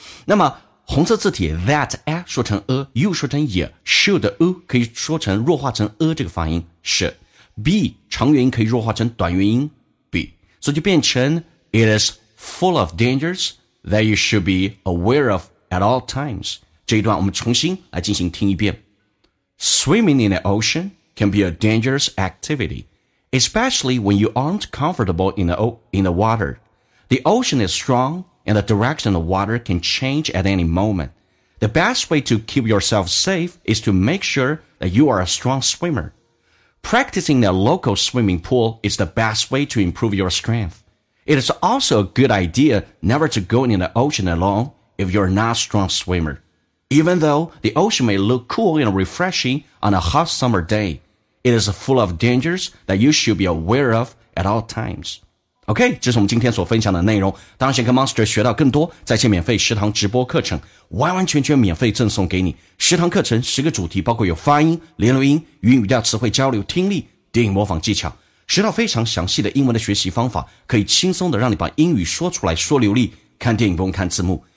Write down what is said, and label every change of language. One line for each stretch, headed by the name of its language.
Chinese: 那么红色字体 that a 说成 a, you 说成 ye, should a 可以说成弱化成 a 这个发音是 be 长元音可以弱化成短元音 be, 所以就变成
English: it is full of dangers that you should be aware of at all times。
Chinese: 这一段我们重新来进行听一遍。
English: Swimming in the ocean can be a dangerous activity, especially when you aren't comfortable in the water. The ocean is strong and the direction of water can change at any moment. The best way to keep yourself safe is to make sure that you are a strong swimmer. Practicing a local swimming pool is the best way to improve your strength. It is also a good idea never to go in the ocean alone if you're not a strong swimmer. Even though the ocean may look cool and refreshing on a hot summer day, it is full of dangers that you should be aware of at all times.
Chinese: OK, 这是我们今天所分享的内容。当然想跟 Monster 学到更多，在线免费十堂直播课程完完全全免费赠送给你。十堂课程十个主题，包括有发音、连读音、语音语调、词汇交流、听力、电影模仿技巧。学到非常详细的英文的学习方法，可以轻松的让你把英语说出来说流利，看电影不用看字幕。